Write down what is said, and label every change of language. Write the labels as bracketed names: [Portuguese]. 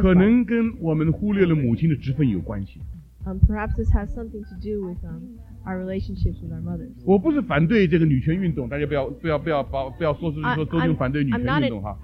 [Chinese] 可能跟我们忽略了母亲的职分有关系。 [English] Perhaps this has something to do with our relationships with our mothers. [Chinese] 我不是反对这个女权运动，大家不要说是说周军反对女权运动哈。